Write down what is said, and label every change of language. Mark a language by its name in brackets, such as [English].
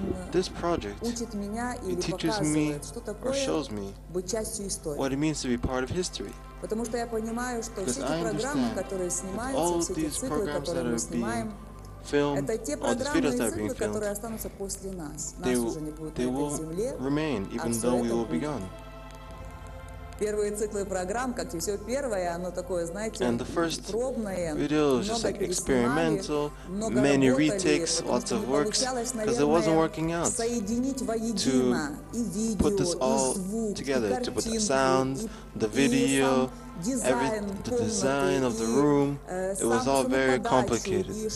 [English] This project, it teaches me or shows me what it means to be part of history. Because I understand that all of these programs that are being filmed, all these videos that are being filmed, they will remain even though we will be gone. [Russian] Первые циклы программ, как и все первое, оно такое, знаете, [English] and the first video was just like experimental, many retakes, lots of works, because it wasn't working out to put this all together, to put the sound, the video, the design of the room, it was all very complicated.